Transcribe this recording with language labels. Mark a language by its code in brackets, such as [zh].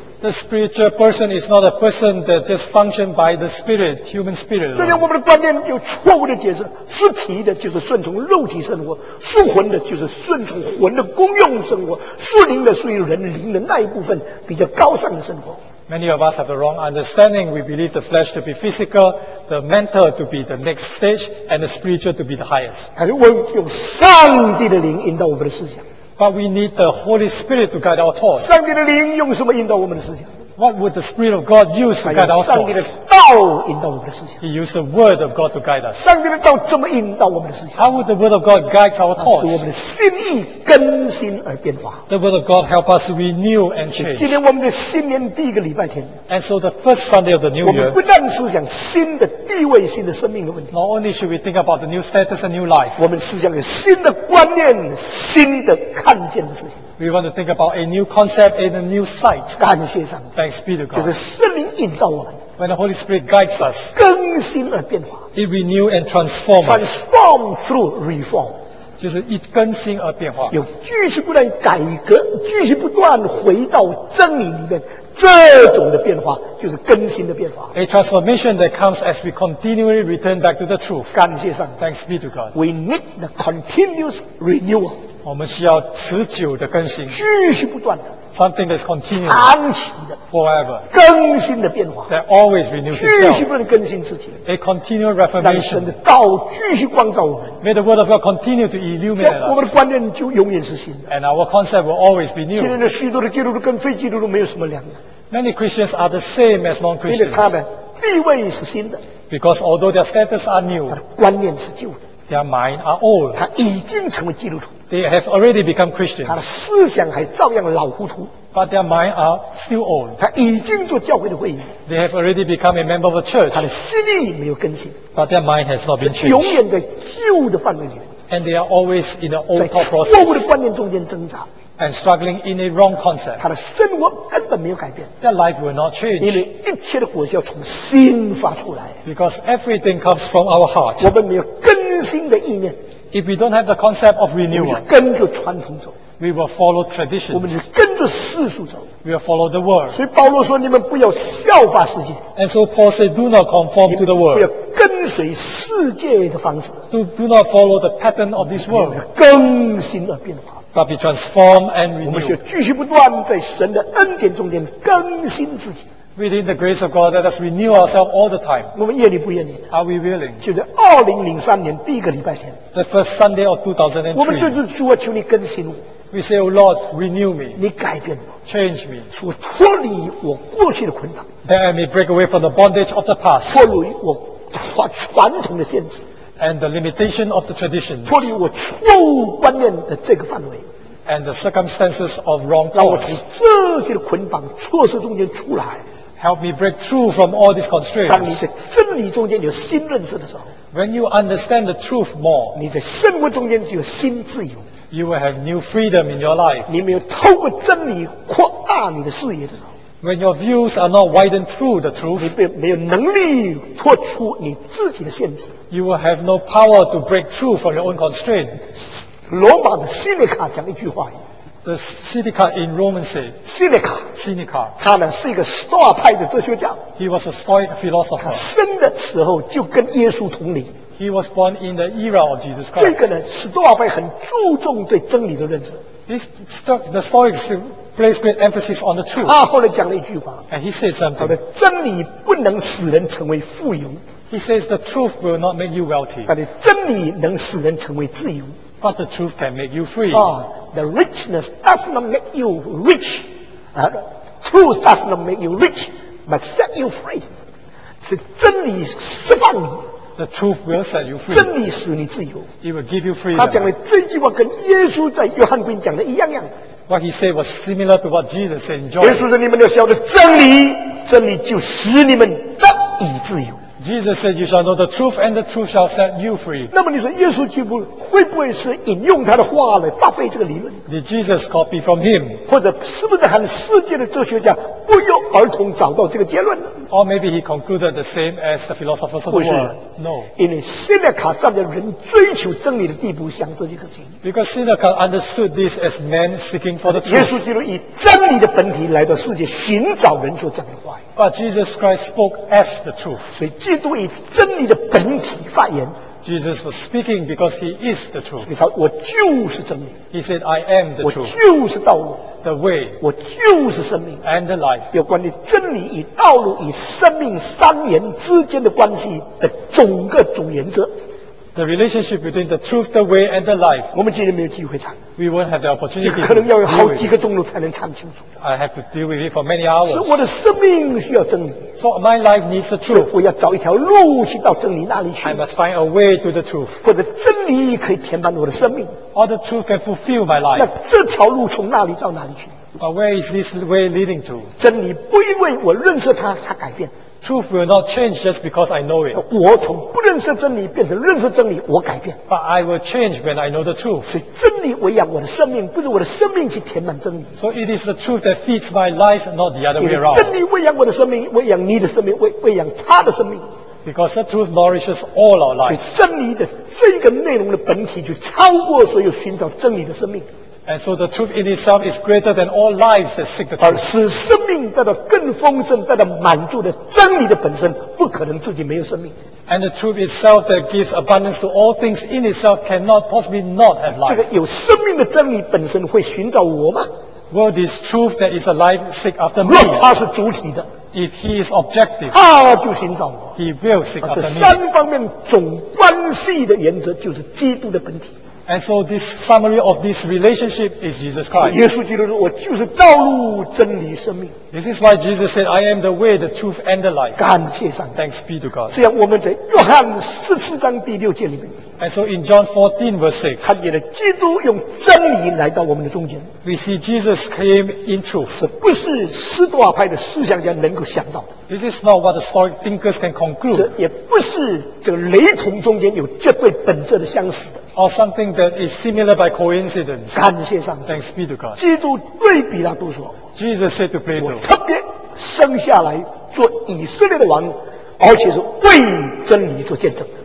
[en] The spiritual person is not a person that just functions by the spirit, human spirit. [zh] 这里我们的观念有错误的解释，肢体的就是顺从肉体生活，属魂的就是顺从魂的功用生活，属灵的属于人灵的那一部分比较高尚的生活。 [en] Many of us have the wrong understanding. We believe the flesh to be physical, the mental to be the next stage, and the spiritual to be the highest. [zh] 还是我用上帝的灵引导我们的思想。 [en] But we need the Holy Spirit to guide our thoughts. [zh] 上帝的灵用什么引导我们的思想？ [en] What would the Spirit of God use to guide our thoughts? [zh] 上帝的道引导我们的思想。 [en] He used the Word of God to guide us. [zh] 上帝的道怎么引导我们的思想？ [en] How would the Word of God guide our thoughts? [zh] 使我们的心意更新而变化。 [en] The Word of God help us renew and change. [zh] 今天我们的新年第一个礼拜天。 [en] And so the first Sunday of the new year. [zh] 我们不但思想新的地位、新的生命的问题。 [en] Not only should we think about the new status and new life. [zh] 我们思想有新的观念、新的看见的事情。 [en] We want to think about a new concept and a new sight. [zh] 感谢上帝。 [en] Thanks be to God. [zh] 就是圣灵引导我们。 [en] When the Holy Spirit guides us. [zh] 更新而变化。 [en] It renew and transform us. Transform through reform. [zh] 就是一更新而变化。有继续不断改革，继续不断回到真理里面。这种的变化就是更新的变化。 [en] A transformation that comes as we continually return back to the truth. [zh] 感谢上帝。 [en] Thanks be to God. We need the continuous renewal. [zh] 我们需要持久的更新，继续不断的 [en] something that's continuous， [zh] 长期的 [en] forever [zh] 更新的变化 [en] that always renews itself， [zh] 继续不断的更新自己 [en] a continual reformation， [zh] 让神的道继续光照我们， [en] may the word of God continue to illuminate us， [zh] 我们的观念就永远是新的， [en] and our concept will always be new。 [zh] 今天的许多的基督徒跟非基督徒没有什么两样， [en] many Christians are the same as non-Christians， [zh] 因为他们地位是新的， [en] because although their status are new， [zh] 他的观念是旧的， [en] Their mind are old. [zh] 他已经成为基督徒。 [en] They have already become Christians. [zh] 他的思想还照样老糊涂。 [en] But their mind are still old. [zh] 他已经做教会的会员。 [en] They have already become a member of a church. [zh] 他的心意没有更新。 [en] But their mind has not been changed. [zh] 永远在旧的范围里。 [en] And they are always in the old thought process. [zh] 在错误的观念中间挣扎。 [en] And struggling in a wrong concept. [zh] 他的生活根本没有改变。 [en] Their life will not change. [zh] 因为一切的果效从心发出来。 [en] Because everything comes from our heart. [zh] 我们没有更新的意念。 [en] If we don't have the concept of renewal, [zh] 我们就跟着传统走。 [en] We will follow traditions. [zh] 我们就跟着世俗走。 [en] We will follow the world. [zh] 所以保罗说：“你们不要效法世界。” [en] And so Paul said, "Do not conform to the world." [zh] 不要跟随世界的方式。 [en] Do not follow the pattern of this world. [zh] 更新而变化。 [en] But be transformed and renewed. [zh] 我们就继续不断在神的恩典中间更新自己。 [en] Within the grace of God, let us renew ourselves all the time. [zh] 我们愿意不愿意？ [en] Are we willing? [zh] 就在2003年第一个礼拜天。 [en] The first Sunday of 2003. [zh] 我们就是主啊，求你更新我。 [en] We say, Oh Lord, renew me. [zh] 你改变我。 [en] Change me. [zh] 我脱离我过去的捆绑。 [en] That I may break away from the bondage of the past. [zh] 脱离我传统的限制。 [en] And the limitation of the traditions. [zh] 脱离我错误观念的这个范围。 [en] And the circumstances of wrong thoughts. [zh] 让我从这些的捆绑错失中间出来。 [en] Help me break through from all these constraints. [zh] 当你在真理中间有新认识的时候， [en] When you understand the truth more, [zh] 你在生活中间就有新自由， [en] You will have new freedom in your life. [zh] 你没有透过真理扩大你的视野的时候， [en] When your views are not widened through the truth, [zh] 你没有能力脱出你自己的限制， [en] You will have no power to break through from your own constraint. [zh] 罗马的西内卡讲一句话， [en] The Seneca in Roman say, [zh] Seneca, 他呢是一个斯多亚派的哲学家。 [en] He was a Stoic philosopher. [zh] 他生的时候就跟耶稣同龄。 [en] He was born in the era of Jesus Christ. [zh] 这个呢，斯多亚派很注重对真理的认识。 [en] The Stoics place great emphasis on the truth. [zh] 他后来讲了一句话。 [en] And he said something. [zh] 他说，真理不能使人成为富有。 [en] He says the truth will not make you wealthy. [zh] 但是真理能使人成为自由。 [en] But the truth can make you free. The richness does not make you rich. Truth does not make you rich, but set you free. [zh] 是真理释放你。 [en] The truth will set you free. [zh] 真理使你自由。 [en] It will give you freedom. [zh] 他讲的这句话跟耶稣在约翰福音讲的一样样。 [en] What he said was similar to what Jesus said in John. [zh] 耶稣说：“你们要晓得真理，真理就使你们得以自由。” [en] Jesus said, "You shall know the truth, and the truth shall set you free." [zh] 那么你说耶稣基督会不会是引用他的话来发挥这个理论？ [en] Did Jesus copy from him? [zh] 或者是不是很世界的哲学家不约而同找到这个结论？ [en] Or maybe he concluded the same as the philosophers of the world. [zh] 不是 [en] ，No. [zh] 因为西内卡站在人追求真理的地步想这件事情。 [en] Because Seneca understood this as man seeking for the truth. [zh] 耶稣基督以真理的本体来到世界寻找人所讲的话。 [en] But Jesus Christ spoke as the truth. [zh] 所以基督以真理的本体发言。 [en] Jesus was speaking because he is the truth. [zh] 你说我就是真理。 [en] He said, "I am the truth." [zh] 我就是道路。 [en] The way. [zh] 我就是生命。 [en] And the life. [zh] 有关于真理与道路与生命三元之间的关系的整个主原则。 [en] The relationship between the truth, the way, and the life. [zh] 我们今天没有机会谈。 [en] We won't have the opportunity. [zh] 可能要有好几个钟头才能谈清楚。 [en] I have to deal with it for many hours. [zh] 是我的生命需要真理。 [en] So my life needs the truth. [zh] 我要找一条路去到真理那里去。 [en] I must find a way to the truth. [zh] 或者真理可以填满我的生命。 [en] Or the truth can fulfill my life. [zh] 那这条路从哪里到哪里去？ [en] But where is this way leading to? [zh] 真理不因为我认识它，它改变。 [en] Truth will not change just because I know it. [zh] 我从不认识真理变成认识真理，我改变。 [en] But I will change when I know the truth. [zh] 所以真理喂养我的生命，不是我的生命去填满真理。 [en] So it is the truth that feeds my life, not the other way around. [zh] 真理喂养我的生命，喂养你的生命，喂养他的生命。 [en] Because the truth nourishes all our lives. [zh] 所以真理的这个内容的本体就超过所有寻找真理的生命。 [en] And so the truth in itself is greater than all lives that seek the truth. [zh] 而使生命带到更丰盛，带到满足的真理的本身，不可能自己没有生命。 [en] And the truth itself that gives abundance to all things in itself cannot possibly not have life. [zh] 这个有生命的真理本身会寻找我吗？ [en] Will this truth that is alive seek after me? [zh] 若他是主体的。 [en] If he is objective, [zh] 他就寻找我。 [en] He will seek after me. [zh] 这三方面总关系的原则就是基督的本体。 [en] And so this summary of this relationship is Jesus Christ. [zh] 耶稣基督说，我就是道路、真理、生命。 [en] This is why Jesus said, I am the way, the truth, and the life. [zh] 感谢上帝。 [en] Thanks be to God. [zh] 这样我们在约翰十四章第六节里面。 [en] And so in John 14 verse 6, [zh] 看见了基督用真理来到我们的中间。 [en] We see Jesus came in truth. [zh] 是不是斯多派的思想家能够想到的。 [en] This is not what the stoic thinkers can conclude. [zh] 这也不是这个雷同中间有绝对本质的相似的。 [en] Or something that is similar by coincidence. [zh] 感谢上帝。 [en] Thanks be to God. [zh] 基督对比拉多说。 [en] Jesus said to Plato. [zh] 我特别生下来做以色列的王，而且是为真理做见证。